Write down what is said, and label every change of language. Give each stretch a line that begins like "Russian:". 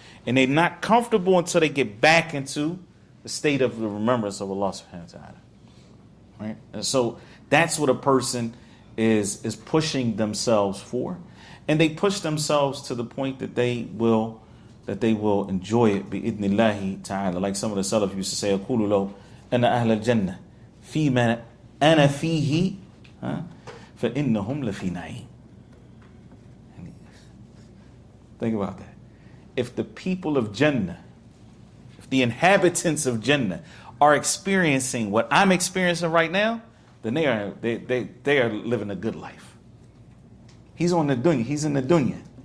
English: And they're not comfortable until they get back into the state of the remembrance of Allah subhanahu wa ta'ala. Right? And so that's what a person is pushing themselves for. And they push themselves to the point that they will enjoy it bi'idhnillahi ta'ala. Like some of the salaf used to say,
Arabic: أَقُولُ لَوْ أَنَا أَهْلَ الْجَنَّةِ فِي مَنَا أَنَا فِيهِ فَإِنَّهُمْ لَفِي نَعِيمٍ.
English: Think about that. If the people of Jannah, if the inhabitants of Jannah are experiencing what I'm experiencing right now, then they are living a good life. He's on the dunya. He's in the dunya.